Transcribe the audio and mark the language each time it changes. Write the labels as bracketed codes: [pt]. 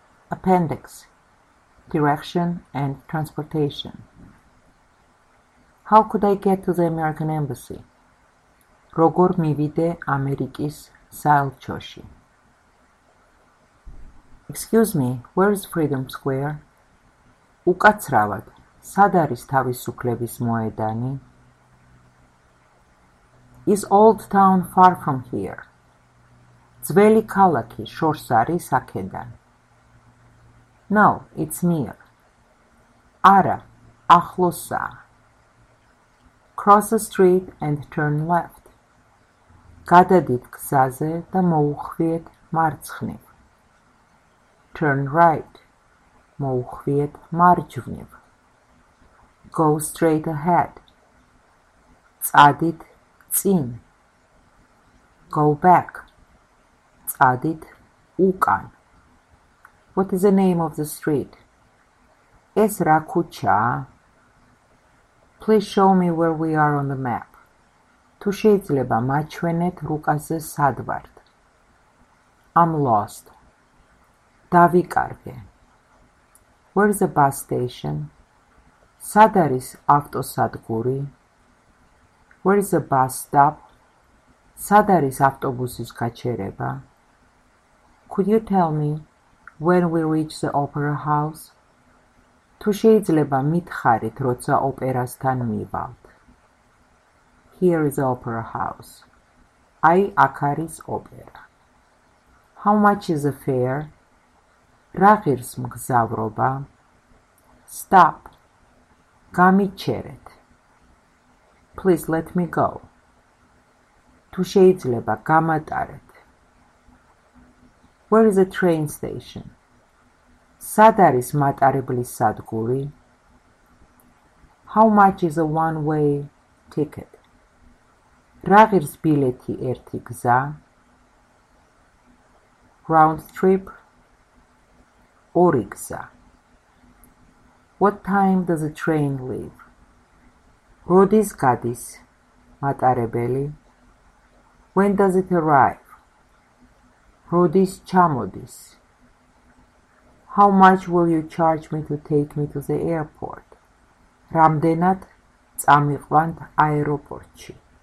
[en] appendix, direction and transportation. How could I get to the American Embassy? [ka] Როგორ მივიდე ამერიკის საელჩოში? [en] Excuse me, where is Freedom Square? [ka] უკაცრავად, სად არის თავისუფლების მოედანი? [en] Is Old Town far from here? [ka] ძველი ქალაქი შორს არის აქედან? [en] No, it's near. [ka] Ara, ახლოსა. [en] Cross the street and turn left. [ka] გადადით გზაზე და მოუხვიეთ მარცხნივ. [en] Turn right. [ka] მოუხვიეთ მარჯვნივ. [en] Go straight ahead. [ka] წადით წინ. [en] Go back. [ka] წადით უკან. [en] What is the name of the street? [ka] ეს რა ქუჩაა? [en] Please show me where we are on the map. [ka] თუ შეიძლება მაჩვენეთ რუკაზე სად ვართ. [en] I'm lost. [ka] დავიკარგე. [en] Where is the bus station? [ka] სად არის ავტოსადგური? [en] Where is the bus stop? [ka] სად არის ავტობუსის გაჩერება? [en] Could you tell me when we reach the opera house? [ka] თუ შეიძლება მითხარით, როცა ოპერასთან მივალთ. [en] Here is the opera house. [ka] აი, აქ არის ოპერა. [en] How much is the fare? [ka] რა ღირს მგზავრობა? [en] Stop. [ka] გამიჩერეთ. [en] Please let me go. [ka] თუ შეიძლება გამატარეთ. [en] Where is the train station? [ka] სად არის მატარებლის სადგური? [en] How much is a one-way ticket? [ka] რა ღირს ბილეთი ერთი გზა? [en] Round trip? [ka] ორი გზა. [en] What time does the train leave? [ka] როდის გადის მატარებელი? [en] When does it arrive? [ka] როდის ჩამოდის? [en] How much will you charge me to take me to the airport? [ka] რამდენად წამიყვანთ აეროპორტში?